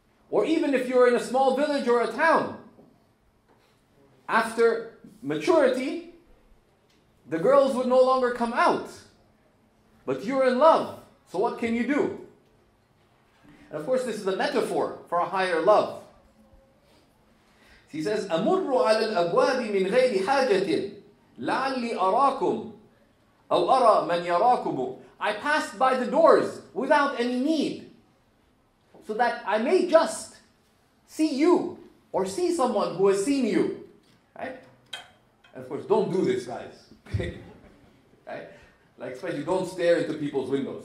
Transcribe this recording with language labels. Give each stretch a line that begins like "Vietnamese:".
English: Or even if you're in a small village or a town, after maturity, the girls would no longer come out. But you're in love. So what can you do? And of course, this is a metaphor for a higher love. He says,
Arabic: أَمُرُّ عَلَى الْأَبْوَابِ مِنْ غَيْرِ حَاجَةٍ لَعَلِّ أَرَاكُمْ أَوْ أَرَى مَنْ يَرَاكُمُ.
English: I passed by the doors without any need, so that I may just see you or see someone who has seen you. Right? And of course, don't do this, guys. Right? Like, especially don't stare into people's windows.